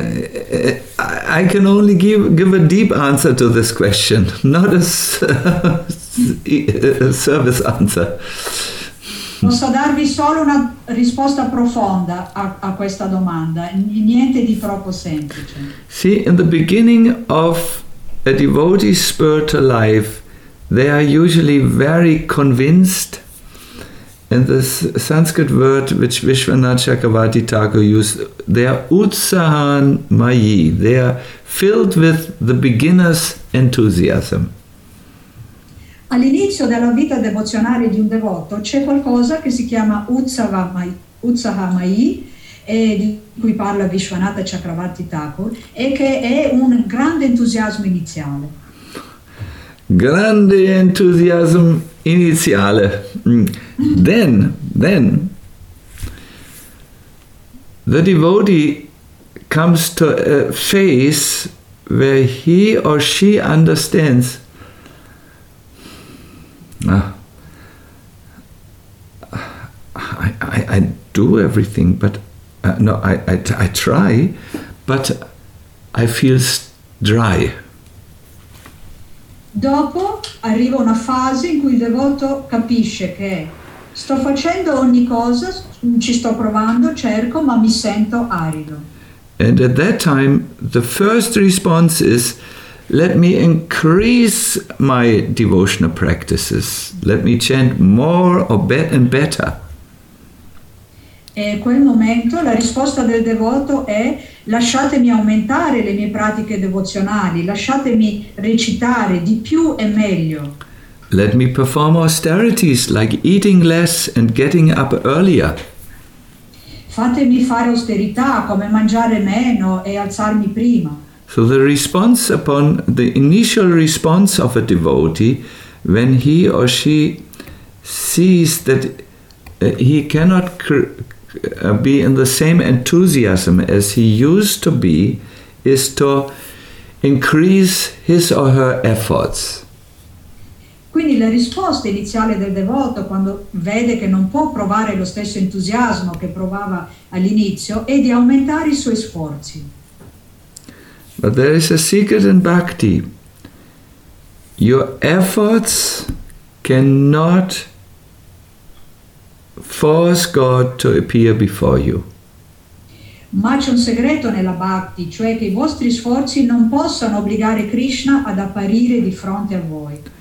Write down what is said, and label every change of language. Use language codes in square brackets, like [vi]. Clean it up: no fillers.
[en] I can only give a deep answer to this question, not a service answer. [it] Posso darvi solo una risposta profonda a questa domanda, niente di troppo semplice. [en] See, in the beginning of a devotee's spiritual life, they are usually very convinced. And the Sanskrit word which Vishwanath Chakravarti Thakur used, they are utsahan mayi. They are filled with the beginner's enthusiasm. [it] All'inizio della vita devozionale di un devoto c'è qualcosa che si chiama utsahan mayi, e di cui parla Vishwanath Chakravarti Thakur, e che è un grande entusiasmo iniziale. Grande entusiasmo iniziale. [en] Then the devotee comes to a phase where he or she understands. I do everything, but I try, but I feel dry. [it] Dopo arriva una fase in cui il devoto capisce che sto facendo ogni cosa, ci sto provando, cerco, ma mi sento arido. [en] And at that time the first response is let me increase my devotional practices. Let me chant more or better and better. [it] E quel momento la risposta del devoto è: lasciatemi aumentare le mie pratiche devozionali, lasciatemi recitare di più e meglio. [en] Let me perform austerities like eating less and getting up earlier. [it] Fatemi fare austerità come mangiare meno e alzarmi prima. [en] So the response upon the initial response of a devotee when he or she sees that he cannot be in the same enthusiasm as he used to be is to increase his or her efforts. [it] Quindi la risposta iniziale del devoto quando vede che non può provare lo stesso entusiasmo che provava all'inizio è di aumentare i suoi sforzi. [en] But there is a secret in bhakti. Your efforts cannot force God to appear before you. [it] Ma c'è un segreto nella bhakti, cioè che i vostri sforzi non possono obbligare Krishna ad apparire di fronte a voi.